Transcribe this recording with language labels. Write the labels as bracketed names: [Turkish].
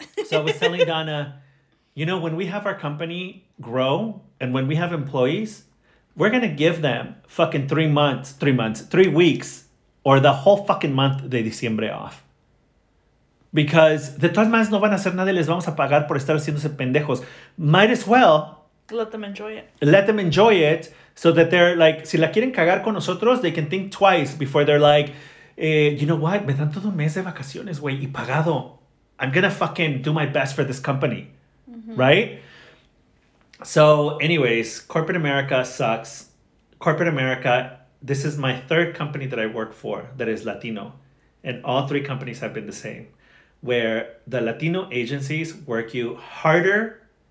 [English] So I was telling Donna, you know, when we have our company grow and when we have employees, we're going to give them fucking 3 months, 3 weeks or the whole fucking month [Spanish] de diciembre [English] off. Because [Spanish] de todas maneras no van a hacer nada y les vamos a pagar por estar haciéndose pendejos. [English] Might as well. Let them enjoy it. Let them enjoy it so that they're like, [Spanish] si la quieren cagar con nosotros, [English] they can think twice before they're like, you know what? [Spanish] Me dan todo un mes de vacaciones, güey, y pagado. [English] I'm gonna fucking do my best for this company. Mm-hmm. Right? So anyways, corporate America sucks. Corporate America, this is my third company that I work for that is Latino. And all three companies have been the same. Where the Latino agencies work you harder.